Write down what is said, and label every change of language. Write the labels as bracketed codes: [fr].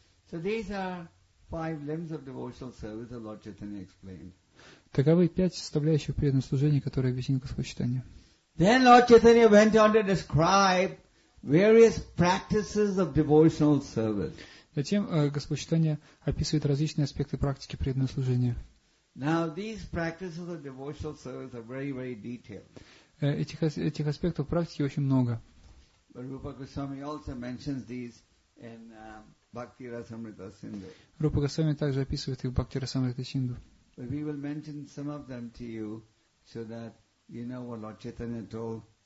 [en] So these are five limbs of devotional service, Lord Chaitanya explained. [ru] Таковы пять составляющих преданного служения, которые объяснил Господь Чайтанья. [en] Then Lord Chaitanya went on to describe various practices of devotional service. [ru] Затем Господь Чайтанья описывает различные аспекты практики преданного служения. [en] Now, these practices of devotional service are very, very detailed. [ru] Этих аспектов практики очень много. [en] But Rupa Goswami also mentions these in Bhakti Rasamrita Sindhu. [ru] Рупа Госвами также описывает их в Бхакти Расамрита Синдху. [en] But we will mention some of them to you, so that you know what Lord Chaitanya told.